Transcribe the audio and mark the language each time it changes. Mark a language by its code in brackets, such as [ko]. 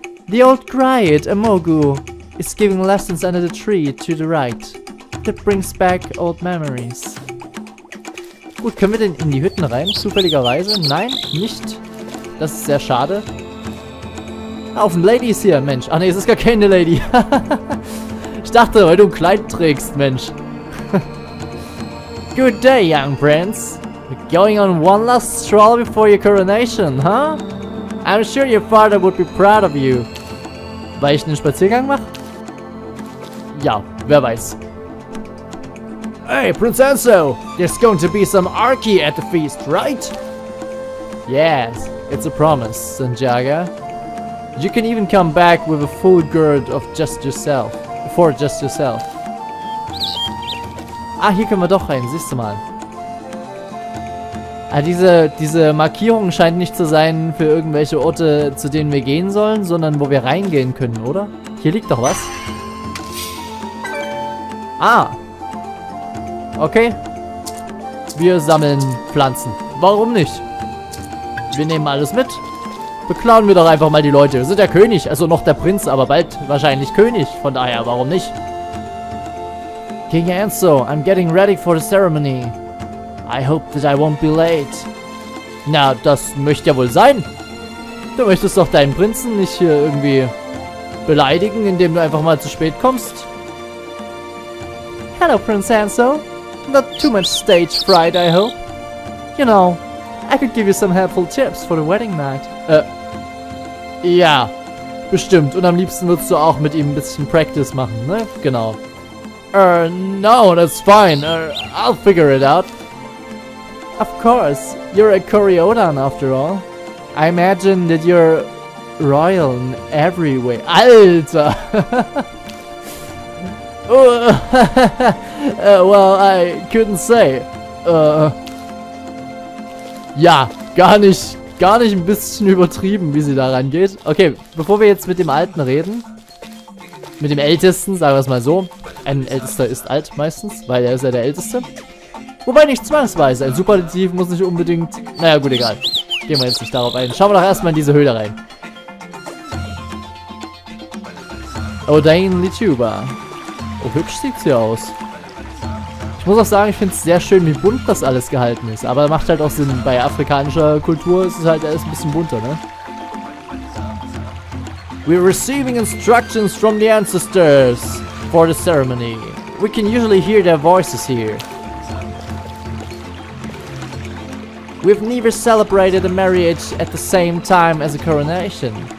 [en] The old griot, Amogu, is giving lessons under the tree to the right. That brings back old memories. [de] Gut, können wir denn in die Hütten rein, zufälligerweise? Nein, nicht. Das ist sehr schade. Auf dem Lady ist hier, Mensch. Ach ne, es ist gar keine Lady. Ich dachte, weil du ein Kleid trägst, Mensch. [en] Good day, young prince. We're going on one last stroll before your coronation, huh? I'm sure your father would be proud of you. [de] Weil ich einen Spaziergang mache? Ja, wer weiß. [en] Hey, Prince Anso! There's going to be some Arki at the feast, right? Yes, it's a promise, Sanjaga. You can even come back with a full gird of just yourself. For just yourself. [de] Ah, hier können wir doch rein, siehst du mal. Ah, diese Markierung scheint nicht zu sein für irgendwelche Orte, zu denen wir gehen sollen, sondern wo wir reingehen können, oder? Hier liegt doch was. Ah. Okay. Wir sammeln Pflanzen. Warum nicht? Wir nehmen alles mit. Beklauen wir doch einfach mal die Leute. Wir sind der König, also noch der Prinz, aber bald wahrscheinlich König. Von daher, warum nicht? [en] King Anso, I'm getting ready for the ceremony. I hope that I won't be late. [de] Na, das möchte ja wohl sein. Du möchtest doch deinen Prinzen nicht hier irgendwie beleidigen, indem du einfach mal zu spät kommst. [en] Hello, Prince Anso. Not too much stage fright, I hope. You know, I could give you some helpful tips for the wedding night. [de] Ja, bestimmt. Und am liebsten würdest du auch mit ihm ein bisschen Practice machen, ne? Genau. [en] No, that's fine. I'll figure it out. Of course, you're a Coriodon after all. I imagine that you're royal in every way. [de] Alter! [en] well, I couldn't say. [de] Ja, gar nicht ein bisschen übertrieben, wie sie da rangeht. Okay, bevor wir jetzt mit dem Alten reden, mit dem Ältesten, sagen wir es mal so. Ein Ältester ist alt meistens, weil er ist ja der Älteste. Wobei nicht zwangsweise, ein Superlativ muss nicht unbedingt... Naja, gut, egal. Gehen wir jetzt nicht darauf ein. Schauen wir doch erstmal in diese Höhle rein. Odain Lituba. Oh, hübsch sieht's hier aus. Ich muss auch sagen, ich finde es sehr schön, wie bunt das alles gehalten ist. Aber macht halt auch Sinn. Bei afrikanischer Kultur ist es halt alles ein bisschen bunter, ne? [en] We're receiving instructions from the ancestors for the ceremony. We can usually hear their voices here. We've never celebrated a marriage at the same time as a coronation.